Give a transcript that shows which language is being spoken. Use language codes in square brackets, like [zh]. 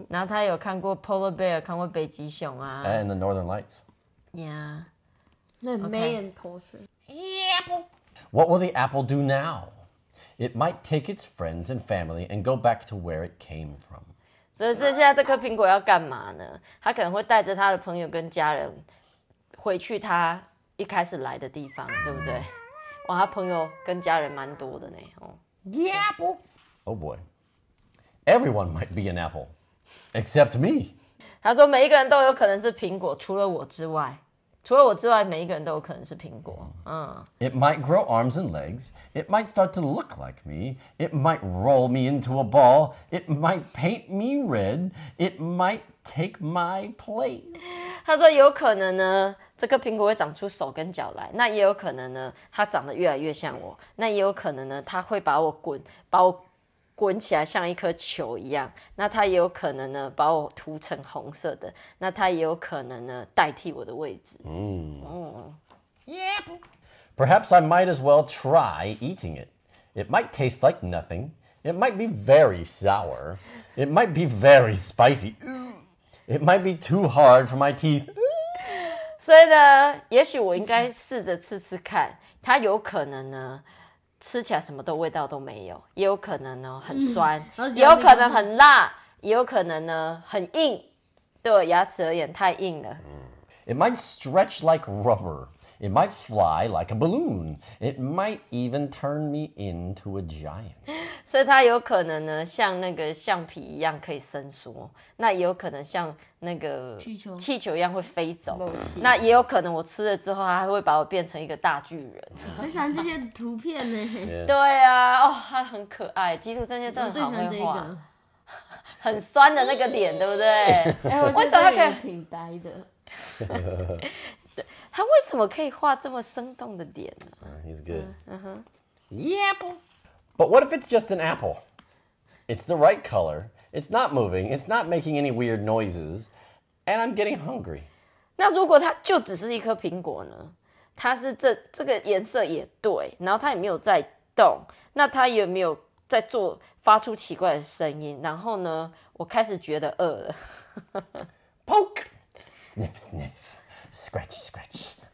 [zh] 然后他有看过 [en] polar bear， [zh] 看过北极熊啊 [en] ，and the northern lights. Yeah, 那 Mayan culture. Apple. What will the apple do now? It might take its friends and family and go back to where it came from. [zh] 所以是现在这颗苹果要干嘛呢？它可能会带着它的朋友跟家人回去它一开始来的地方，对不对？哇，它朋友跟家人蛮多的呢。 [en] 哦 ，Apple. Oh boy. Everyone might be an apple, except me. [zh] 他说每一个人都有可能是苹果，除了我之外。除了我之外，每一个人都有可能是苹果。 [en] It might grow arms and legs. It might start to look like me. It might roll me into a ball. It might paint me red. It might take my place. [zh] 他说有可能呢，这个苹果会长出手跟脚来。那也有可能呢，它长得越来越像我。那也有可能呢，它会把我滚起来像一颗球一样，那它也有可能呢把我涂成红色的，那它也有可能呢代替我的位置。 [en] Yep. Perhaps I might as well try eating it. It might taste like nothing. It might be very sour. It might be very spicy. It might be too hard for my teeth. [zh] 所以呢，也许我应该试着吃吃看，它有可能呢。吃起来什么都味道都没有，也有可能呢很酸，也有可能很辣，也有可能呢很硬。对我牙齿而言，太硬了。 It might stretch like rubber. It might fly like a balloon. It might even turn me into a giant. 所以它有可能呢，像那个橡皮一样可以伸缩，那也有可能像那个气球一样会飞走。那也有可能我吃了之后，它会把我变成一个大巨人。很喜欢这些图片呢。对啊，哦，它很可爱，基础真的真的好会画。很酸的那个脸，对不对？为什么可以挺呆的？他为什么可以画这么生动的脸呢、 [en] He's good. Yep. But what if it's just an apple? It's the right color. It's not moving. It's not making any weird noises. And I'm getting hungry. [zh] 那如果它就只是一颗苹果呢？它是这个颜色也对，然后它也没有在动，那它也没有在做发出奇怪的声音。然后呢，我开始觉得饿了。 [en] Poke. Sniff, sniff. Scratch, scratch.